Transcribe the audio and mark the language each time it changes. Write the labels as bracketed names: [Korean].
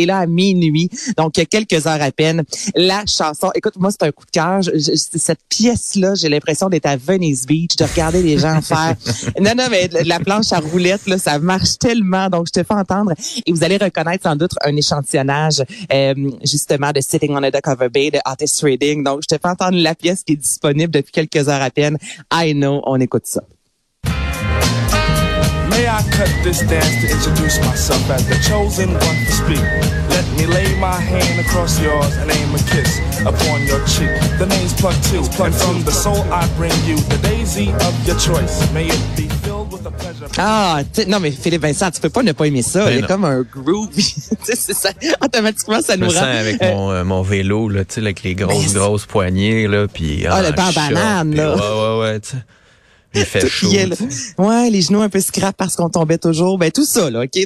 [French] Et là, à minuit, donc il y a quelques heures à peine, la chanson, écoute, moi c'est un coup de cœur, cette pièce-là, j'ai l'impression d'être à Venice Beach, de regarder les gens faire. Non, mais la planche à roulettes, là, ça marche tellement. Donc, je te fais entendre. Et vous allez reconnaître sans doute un échantillonnage, justement, de Sitting on a Duck of a Bay, de Otis Redding. Donc, je te fais entendre la pièce qui est disponible depuis quelques heures à peine. I know, on écoute ça. [English] May I cut this dance to introduce myself as the chosen one to speak? Let me lay my hand across yours and aim a kiss upon your cheek. The name's Pluck 2, and from the soul I bring you the daisy of your choice. May it be filled with a pleasure. [French] Ah, non, mais Philippe Vincent, tu peux pas ne pas aimer ça. Il est comme un groovy. C'est ça. Automatiquement, ça nous rend. Avec mon vélo, là, tu sais, avec les grosses poignées, là. Pis, ah, le banc banane, là. Ouais, tu sais. Il fait chaud. Ouais, les genoux un peu scrap parce qu'on tombait toujours. Ben, tout ça, là, OK?